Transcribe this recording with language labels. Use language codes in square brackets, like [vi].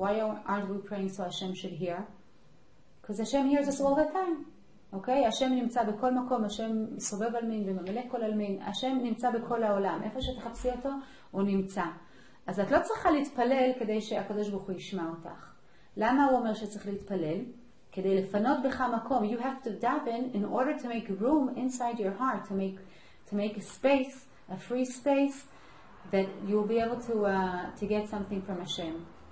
[en] Why aren't we praying so Hashem should hear? Because Hashem hears us all the time. אוקיי? [he] Hashem נמצא בכל מקום, Hashem סובב על מין וממלא כל על מין. Hashem נמצא בכל העולם. איפה שתחפשי אותו, הוא נמצא. אז את לא צריכה להתפלל כדי שהקדוש ברוך הוא ישמע אותך. למה הוא אומר שצריך להתפלל? כדי לפנות בך מקום. [en] You have to daven in order to make room inside your heart, to make a space, a free space, that you'll be able to get something from Hashem.